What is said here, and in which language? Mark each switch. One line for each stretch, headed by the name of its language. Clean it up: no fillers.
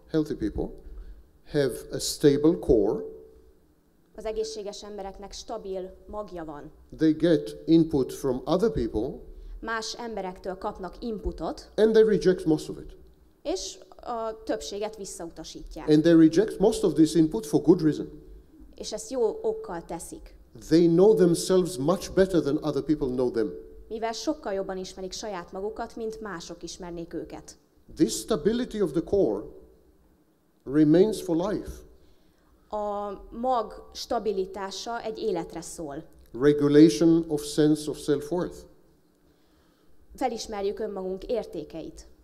English: Healthy people have a stable core.
Hungarian: Az egészséges embereknek stabil magja van.
English: They get input from other people.
Hungarian: Más emberektől kapnak inputot.
English: And they reject most of it.
Hungarian: És a többséget visszautasítják.
English: And they reject most of this input for good reason.
Hungarian: És ezt jó okkal teszik.
English: They know themselves much better than other people know them.
Hungarian: Mivel sokkal jobban ismerik saját magukat, mint mások ismernék őket.
English: This stability of the core remains for life.
Hungarian: A mag stabilitása egy életre szól.
English: Regulation of sense of self-worth.
Hungarian: Felismerjük önmagunk értékeit.